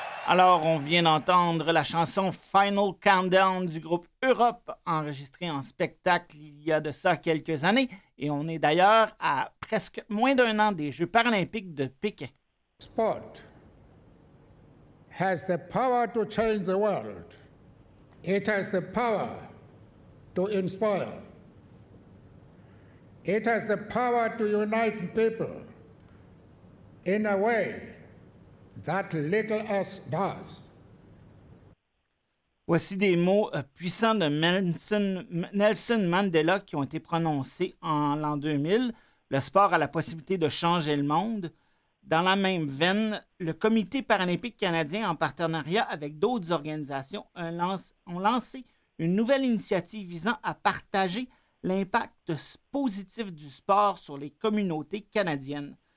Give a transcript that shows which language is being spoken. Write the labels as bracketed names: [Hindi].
[French] Alors, on vient d'entendre la chanson Final Countdown du groupe Europe, enregistrée en spectacle il y a de ça quelques années. Et on est d'ailleurs à presque moins d'un an des Jeux paralympiques de Pékin. [English] Sport has the power to change the world. It has the power to inspire. It has the power to unite people in a way that little us does. [French] Voici des mots puissants de Nelson Mandela qui ont été prononcés en l'an 2000. Le sport a la possibilité de changer le monde. Dans la même veine, le Comité paralympique canadien, en partenariat avec d'autres organisations, ont lancé une nouvelle initiative visant à partager l'impact positif du sport sur les communautés canadiennes.